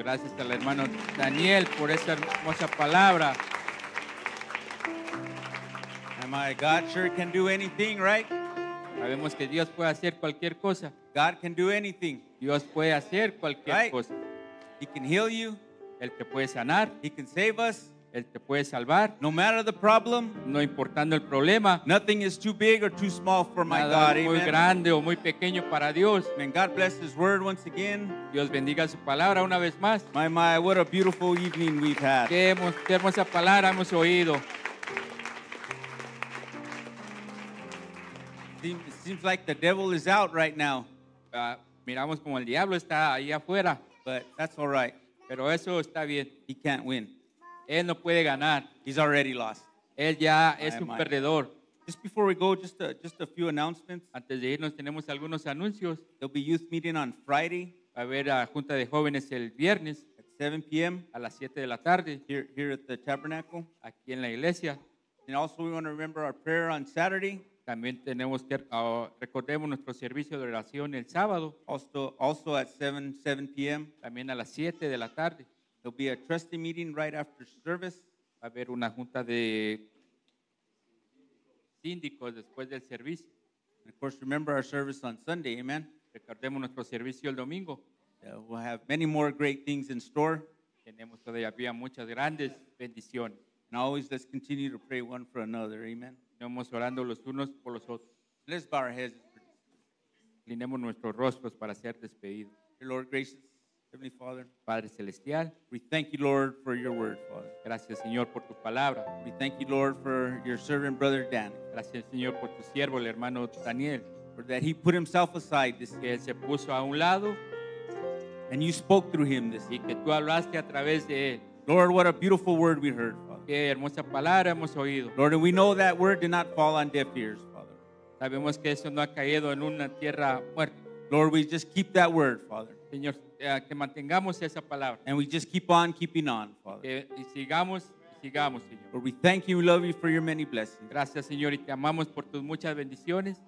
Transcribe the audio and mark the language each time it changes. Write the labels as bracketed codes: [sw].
[es] Gracias al hermano Daniel por esa hermosa palabra. [en] And my God sure can do anything, right? [es] Sabemos que Dios puede hacer cualquier cosa. [en] God can do anything. [es] Dios puede hacer cualquier [en] right? [es] cosa. [en] He can heal you. [es] Él te puede sanar. [en] He can save us. [es] Él te puede salvar. [en] No matter the problem, [es] no importando el problema, [en] nothing is too big or too small for my God. [es] Muy amen. Grande o muy pequeño para Dios. [en] May God bless His word once again. [es] Dios bendiga su palabra una vez más. [en] My, what a beautiful evening we've had. [es] Qué hermosa palabra hemos oído. [en] Seems like the devil is out right now. [es] Miramos como el diablo está ahí afuera. [en] But that's all right. [es] Pero eso está bien. [en] He can't win. [es] Él no puede ganar. [en] He's already lost. [es] Él ya es un perdedor. [en] Just before we go, just a few announcements. [es] Antes de irnos, tenemos algunos anuncios. [en] There'll be youth meeting on Friday. [es] Va a haber junta de jóvenes el viernes. [en] At 7 p.m. [es] A las 7 de la tarde. [en] Here at the tabernacle. [es] Aquí en la iglesia. [en] And also we want to remember our prayer on Saturday. [es] También tenemos que recordemos nuestro servicio de oración el sábado. [en] Also at 7 p.m. [es] También a las 7 de la tarde. [en] There'll be a trustee meeting right after service. [es] Va a haber una junta de síndicos después del servicio. [en] And of course, remember our service on Sunday, amen. [es] Recordemos nuestro servicio el domingo. [en] We'll have many more great things in store. [es] Tenemos todavía muchas grandes bendiciones. [en] And always let's continue to pray one for another, amen. [es] Estamos orando los unos por los otros. [en] Let's bow our heads. [es] Inclinemos nuestros rostros para ser despedidos. [en] Dear Lord, gracious. Heavenly Father, [es] Padre Celestial, [en] we thank you, Lord, for your word, Father. [es] Gracias, Señor, por tu palabra. [en] We thank you, Lord, for your servant, Brother Dan. [es] Gracias, Señor, por tu siervo, el hermano Daniel. [en] For that he put himself aside this [es] que él se puso a un lado. [en] And you spoke through him this [es] y que tú hablaste a través de él. [en] Lord, what a beautiful word we heard, Father. [es] Qué hermosa palabra hemos oído. [en] Lord, and we know that word did not fall on deaf ears, Father. [es] Sabemos que eso no ha caído en una tierra muerta. [en] Lord, we just keep that word, Father. [es] Señor, que mantengamos esa palabra. [en] And we just keep on keeping on, Father. [es] Y sigamos, sigamos, Señor. [en] Lord, we thank you, we love you for your many blessings. [es] Gracias, Señor, y te amamos por tus muchas bendiciones.